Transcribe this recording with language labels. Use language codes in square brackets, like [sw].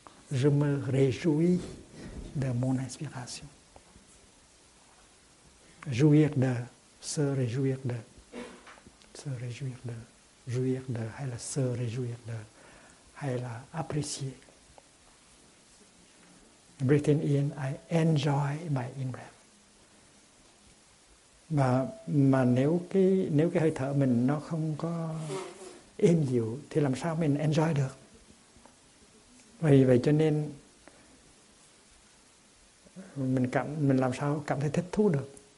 [fr] Je me réjouis de mon inspiration. Jouir de, se réjouir de. Se réjouir de, jouir de, [vi] hay là [fr] se réjouir de, hay là apprécier. [en] Breathing in, I enjoy my in-breath. [vi] Mà nếu cái hơi thở mình nó không có êm dịu thì làm sao mình enjoy được? Vì vậy cho nên mình làm sao cảm thấy thích thú được?